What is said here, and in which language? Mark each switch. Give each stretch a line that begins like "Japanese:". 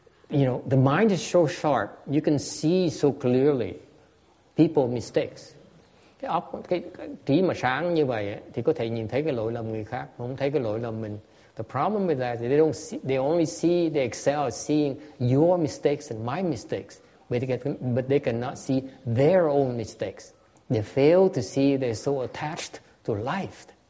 English: You know, the mind is so sharp, you can see so clearly people's mistakes.
Vietnamese: Cái óc, cái trí mà sáng như vậy ấy, thì có thể nhìn thấy cái lỗi lầm người khác, không thấy cái lỗi lầm mình.
English: The problem with that is they don't see, they only see, they excel at seeing your mistakes and my mistakes, but they cannot see their own mistakes. They fail to see they're so attached to life.